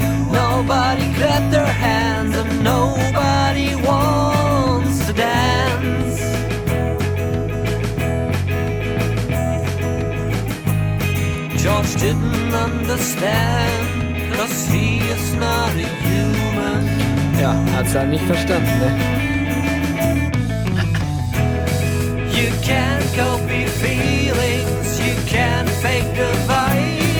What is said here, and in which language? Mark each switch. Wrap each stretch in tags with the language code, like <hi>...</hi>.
<en>Nobody clapped their hands and nobody wants to dance. George didn't understand, 'cause he is not a human.</en> <de>Ja, hat's ja nicht verstanden, ne?</de> <en>You can't copy feelings, you can't fake goodbye.</en>